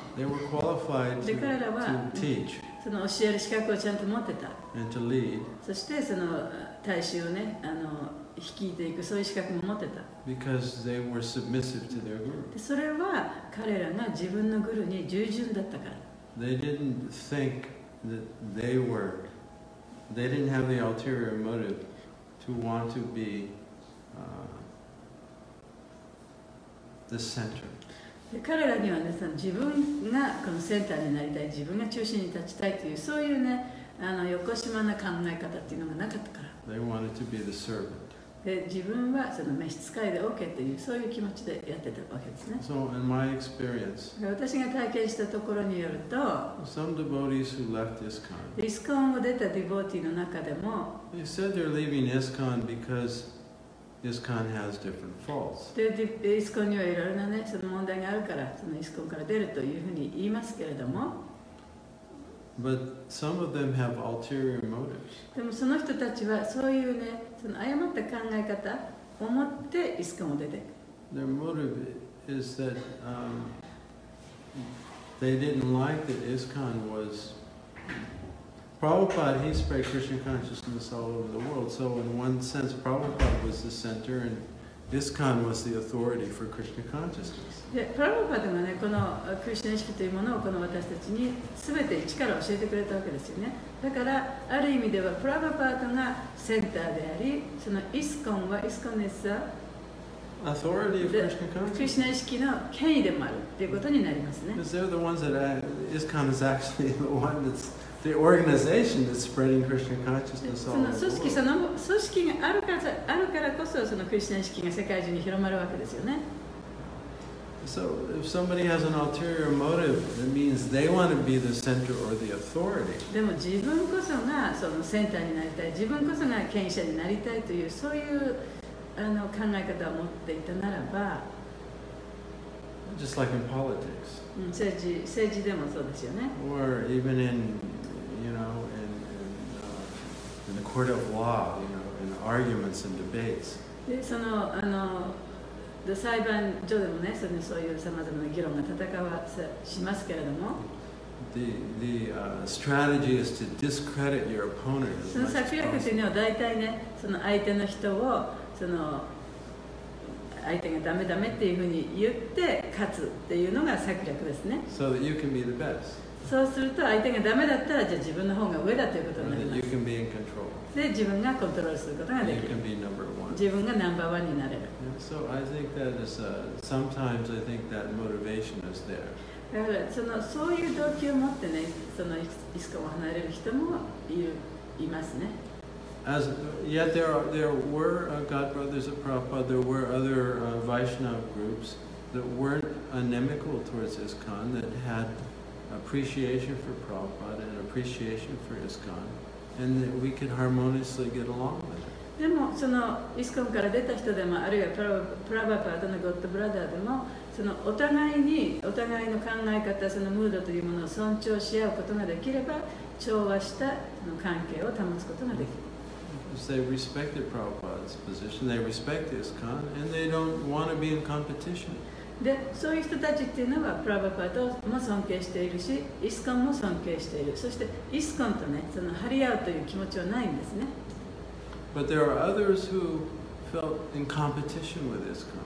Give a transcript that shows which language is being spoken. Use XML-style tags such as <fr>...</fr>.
<en>they were qualified to,</en> <ja>で彼らは</ja> <en>to teach.</en> <ja>その教える資格をちゃんと持ってた。</ja> <en>And to lead.</en> <ja>そしてその大衆をね、あの率いていくそういう資格も持ってた。</ja> <en>Because they were submissive to their guru.</en> <ja>でそれは彼らが自分のグルに従順だったから。</ja> <en>They didn't think that they were, they didn't have the ulterior motive to want to be the center.</en> <ja>で、彼らにはね、その自分がこのセンターになりたい、自分が中心に立ちたいという、そういうね、あの横島な考え方っていうのがなかったから。</ja> <en>They wanted to be the servant.</en> <ja>で、自分はその召使いで OK という、そういう気持ちでやってたわけですね。</ja> <en>So in my experience,</en> <ja>私が体験したところによると、</ja> <en>some devotees who left ISKCON,</en> <ja>ISKCONを出たディボーティーの中でも、</ja> <en>they said they're leaving ISKCON because ISKCON has different faults.</en> <ja>で、ISKCONにはいろいろなね、その問題があるから、そのISKCONから出るというふうに言いますけれども、</ja> <en>But some of them have ulterior motives.</en> <ja>でもその人たちはそういうね、その誤った考え方を持ってイスコンを出て。</ja> <en>Their motive is that they didn't like that ISKCON was. Prabhupada, he spread Krishna consciousness all over the world. So in one sense, Prabhupada was the center and ISKCON was the authority for Krishna consciousness.</en> <ja>でプラモパでもね、このクリシナ意識というものをこの私たちに全て一から教えてくれたわけですよね。だからある意味ではプラモパートがセンターであり、そのイスコンはイスコネスはアソリティでクリシナ意識の権威でもあるということになりますね。</ja> <en>Because they're the ones that ISKCON is actually the one that's the organization that's spreading Krishna consciousness all over the world.</en> <ja>その組織があるからこそそのクリシナ意識が世界中に広まるわけですよね。</ja> <en>So if somebody has an ulterior motive, that means they want to be the center or the authority.</en> <ja>でも自分こそがそのセンターになりたい、自分こそが権威者になりたいというそういうあの考え方を持っていたならば、</ja> <en>just like in politics.</en> <ja>政治でもそうですよね。</ja> <en>Or even in, you know, in the court of law, you know, in arguments and debates.</en> <ja>でそのあの。裁判所でもね、そのそういうさまざまな議論が戦わせしますけれども、</ja> <en>strategy is to discredit your opponent as much as possible.</en> <ja>その策略というのは大体ね、その相手の人をその相手がダメダメっていうふうに言って勝つっていうのが策略ですね。</ja> <en>So that you can be the best.</en> <ja>そうすると相手がダメだったらじゃあ自分の方が上だということになります。</ja> <en>And you can be in control.</en> <ja>で自分がコントロールすることができる。</ja> <en>You can be number one.</en> <ja>自分がナンバーワンになれる。</ja> <en>Yeah, so I think that is sometimes I think that motivation is there.</en> <ja>だからそのそういう動機を持ってね、そのいつかを離れる人もいますね。</ja> <en>As yet there were God Brothers of Prabhupada, there were other Vaishnava groups that weren't inimical towards ISKCON that had appreciation for Prabhupada and appreciation for ISKCON, and that we could harmoniously get along with.</en> <ja>でもそのイスコンから出た人でもあるいはプラバパートのゴッドブラザーでもそのお互いにお互いの考え方そのムードというものを尊重し合うことができれば調和したその関係を保つことができる。</ja> <en>They respected Prabhupada's position. They respect ISKCON, and they don't want to be in competition.</en> <ja>でそういう人たちっていうのはプラバパートも尊敬しているしイスコンも尊敬している。そしてイスコンとねその張り合うという気持ちはないんですね。</ja> <en>But there are others who felt in competition with ISKCON.</en>